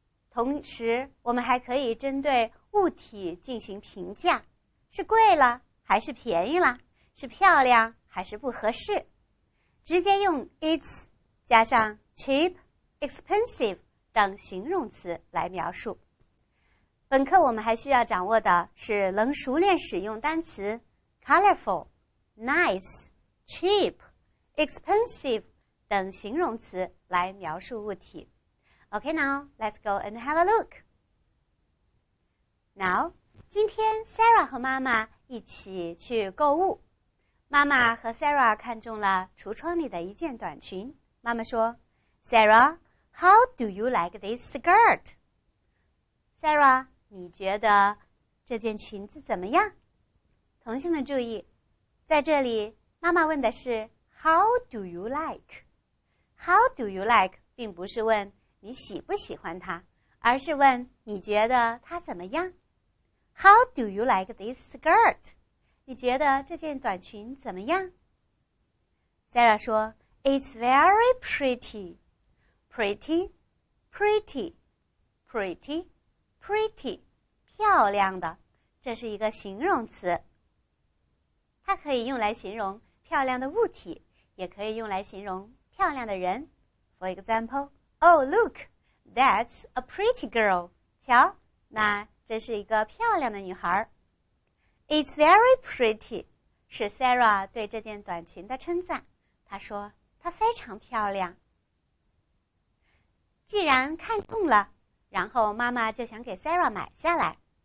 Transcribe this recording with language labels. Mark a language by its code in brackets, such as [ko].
[zh] 同时我们还可以针对物体进行评价，是贵了还是便宜了，是漂亮还是不合适，直接用 it 加上 cheap、 expensive 等形容词来描述。本课我们还需要掌握的是能熟练使用单词colorful, nice, cheap, expensive 等形容词来描述物体。 [en] OK, now let's go and have a look. [zh] Now, 今天 Sarah 和妈妈一起去购物。妈妈和 Sarah 看中了橱窗里的一件短裙。妈妈说， [en] Sarah, how do you like this skirt? [zh] Sarah, 你觉得这件裙子怎么样？同学们注意，在这里妈妈问的是 [en] How do you like? How do you like [zh] 并不是问你喜不喜欢它，而是问你觉得它怎么样。 [en] How do you like this skirt? [zh] 你觉得这件短裙怎么样？ [en] Sarah [zh] 说 [en] It's very pretty. Pretty, pretty, pretty, pretty, [zh] 漂亮的，这是一个形容词，它可以用来形容漂亮的物体，也可以用来形容漂亮的人。 [en] For example, Oh, look, that's a pretty girl. [zh] 瞧，那真是一个漂亮的女孩。 [en] It's very pretty, [zh] 是 Sarah 对这件短裙的称赞。她说她非常漂亮。既然看中了，然后妈妈就想给 Sarah 买下来。